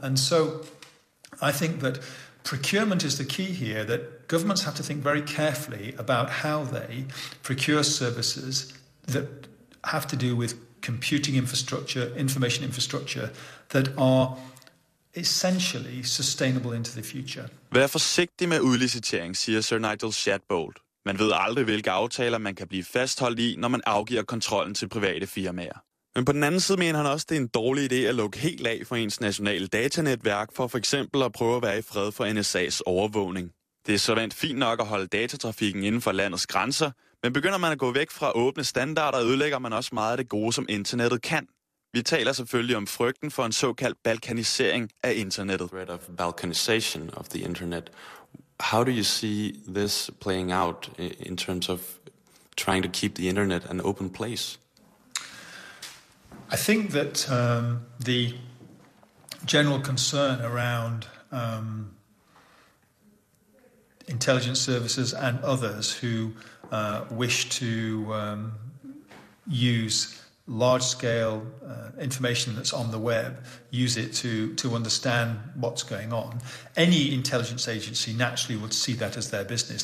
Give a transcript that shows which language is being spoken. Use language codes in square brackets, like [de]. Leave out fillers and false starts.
[en] And so I think that procurement is the key here, that governments have to think very carefully about how they procure services that have to do with computing infrastructure, information infrastructure, that are essentially sustainable into the future. [da] Vær forsigtig med udlicitering, siger Sir Nigel Shadbolt. Man ved aldrig, hvilke aftaler man kan blive fastholdt i, når man afgiver kontrollen til private firmaer. Men på den anden side mener han også, det er en dårlig idé at lukke helt af for ens nationale datanetværk for f.eks. at prøve at være i fred for NSA's overvågning. Det er såvel fint nok at holde datatrafikken inden for landets grænser, men begynder man at gå væk fra åbne standarder, ødelægger man også meget af det gode, som internettet kan. Vi taler selvfølgelig om frygten for en såkaldt balkanisering af internettet. [en] Threat of balkanization of the internet. How do you see this playing out in terms of trying to keep the internet an open place? I think that the general concern around intelligence services and others who wish to use large-scale information that's on the web, use it to understand what's going on, any intelligence agency naturally would see that as their business.